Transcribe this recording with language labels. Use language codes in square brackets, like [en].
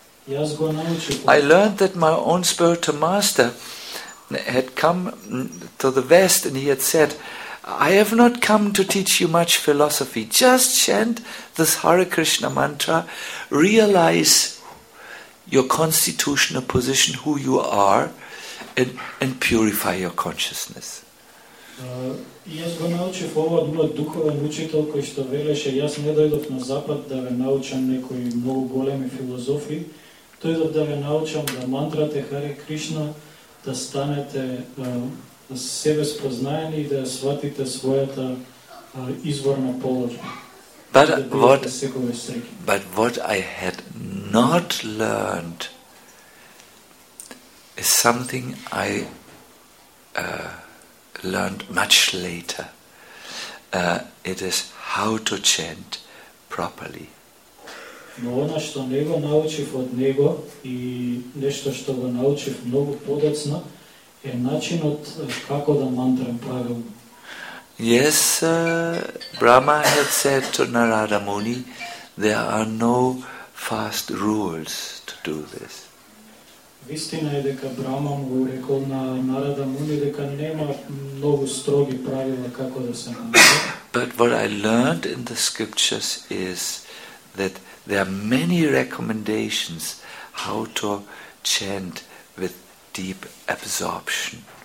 [en] I learned that my own spiritual master had come to the West and he had said, I have not come to teach you much philosophy, just chant this Hare Krishna mantra, realize your constitutional position, who you are, and purify your consciousness. [mk] Јас го научив ово од мојот духовен учител кој што велеше, јас не дојдов на Запад да ве научам некои многу големи филозофи, дојдов да ве научам да мантрате Hare Krishna, да станете себе спознаени и да сватите својата изворна положба. [en] But what I had not learned is something I learned much later. It is how to chant properly. [mk] Но она што не го научив од него и нешто што го научив многу подоцна е начинот како да мантрам правилно. [en] Yes, Brahma had said to Narada Muni, there are no fast rules to do this. [mk] Вистина е дека Брама му рекол на Нарада Муни дека нема многу строги правила како да се мантрам. [en] But what I learned in the scriptures is that there are many recommendations how to chant with deep absorption.